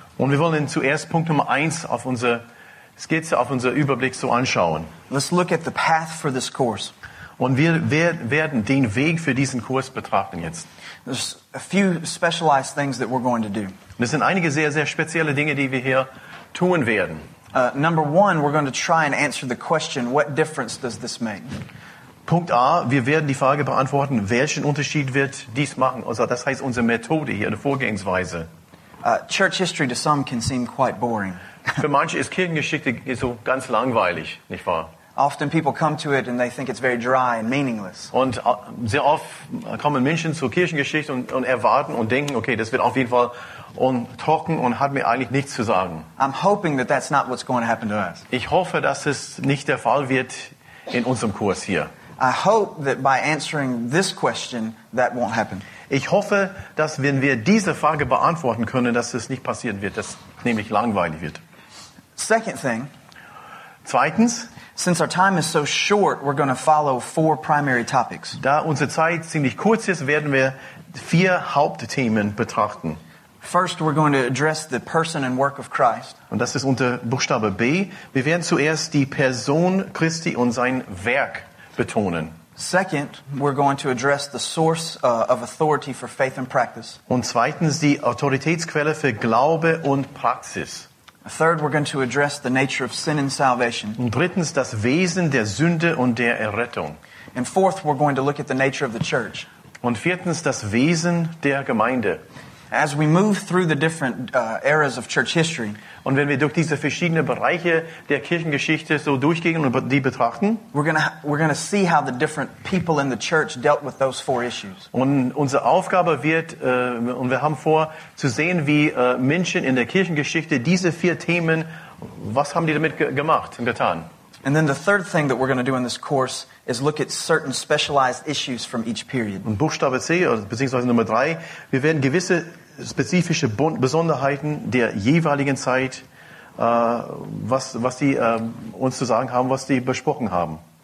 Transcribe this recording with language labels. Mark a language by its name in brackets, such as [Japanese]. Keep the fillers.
[German] Und wir wollen zuerst Punkt Nummer eins auf unser Skizze, auf unser Überblick so anschauen. [English] Let's look at the path for this course. [German] Und wir werden den Weg für diesen Kurs betrachten jetzt. [English] There's a few specialized things that we're going to do. [German] Das sind einige sehr sehr spezielle Dinge, die wir hier tun werden. [English] Uh, number one, we're going to try and answer the question: What difference does this make? [German] Punkt A: Wir werden die Frage beantworten, welchen Unterschied wird dies machen? Also das heißt unsere Methode hier, die Vorgehensweise. [English] Uh, church history to some can seem quite boring. [German] Für manche ist Kirchengeschichte so ganz langweilig, nicht wahr? [English] Often people come to it and they think it's very dry and meaningless. [German] Und sehr oft kommen Menschen zur Kirchengeschichte und, und erwarten und denken, okay, das wird auf jeden Fall und trocken und hat mir eigentlich [English] I'm hoping that that's not what's going to happen to us. [German] Ich hoffe, dass es nicht der Fall wird in unserem Kurs hier. [English] I hope that by answering this question that won't happen. [German] Ich hoffe, dass wenn wir diese Frage beantworten können, dass es nicht passieren wird, dass nämlich langweilig wird. [English] Second thing, Zweitens, since our time is so short, we're going to follow four primary topics. [German] Da unsere Zeit ziemlich kurz ist, werden wir vier Hauptthemen betrachten. [English] First, we're going to address the person and work of Christ. [German] Und das ist unter Buchstabe B. Wir werden zuerst die Person Christi und sein Werk betonen. [English] Second, we're going to address the source of authority for faith and practice. [German] Und zweitens die Autoritätsquelle für Glaube und Praxis. [English] Third, we're going to address the nature of sin and salvation. [German] Und drittens das Wesen der Sünde und der Errettung. [English] And fourth, we're going to look at the nature of the church. [German] Und viertens das Wesen der Gemeinde. [English] As we move through the different uh, eras of church history, [German] und wenn wir durch diese verschiedenen Bereiche der Kirchengeschichte so durchgehen und die betrachten, [English] we're gonna we're gonna see how the different people in the church dealt with those four issues. [German] Und unsere Aufgabe wird uh, und wir haben vor zu sehen, wie uh, Menschen in der Kirchengeschichte diese vier Themen, was haben die damit ge gemacht und getan? [English] And then the third thing that we're going to do in this course is look at certain specialized issues from each period. [German] Und Buchstabe C, beziehungsweise Nummer drei, wir werden gewisse spezifische Besonderheiten der jeweiligen Zeit, uh, was, was die uh, uns zu sagen haben, was sie besprochen haben.